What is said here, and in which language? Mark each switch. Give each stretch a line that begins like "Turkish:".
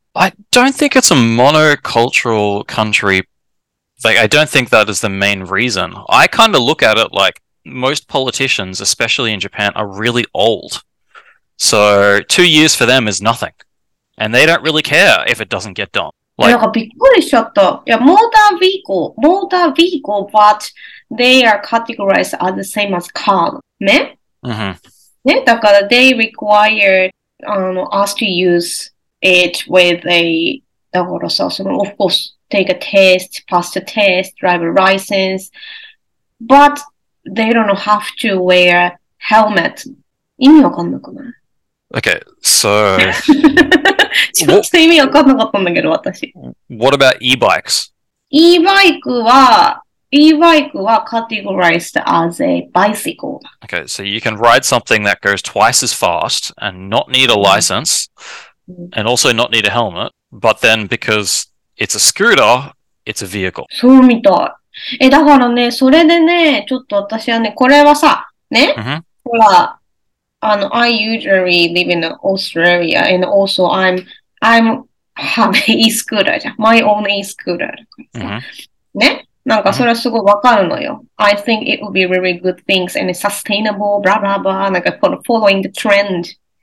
English: I don't think it's a monocultural country. Like, I don't think that is the main reason. I kind of look at it like most politicians, especially in Japan, are really old. So, 2 years for them is nothing. And they don't really care if it doesn't get done.
Japanese: なんかびっくりしちゃった。いや、モータービーコー、
English: but they are categorized as the same as car.
Japanese: ね、
English: mm-hmm.
Japanese: ね、だから
English: they require, us to use it with a,
Japanese: だからさ、その、
English: of course, take a test, pass the test, drive a license, but they don't have to wear helmet.
Japanese: 意味わかんなくない？
English: Okay, so...
Japanese: ちょっと意味わかんなかったんだけど、私。
English: What about e-bikes? E-bike は categorized as a bicycle. Okay, so you can ride something that goes twice as fast and not need a license, and also not need a helmet, but then because it's a scooter, it's a vehicle.
Japanese: そうみたい。え、だからね、それでね、ちょっと私はね、これはさ、ね、
English: mm-hmm.
Japanese: ほら、
English: I usually live in Australia, and also I'm have a e-scooter
Japanese: じゃん。
English: My own e-scooter。 Mm-hmm.
Japanese: ね、なんかそれはすごいわかるのよ。
English: Mm-hmm. I think it would be really good things and sustainable, blah, blah, blah,
Japanese: なんかこの
English: following the trend。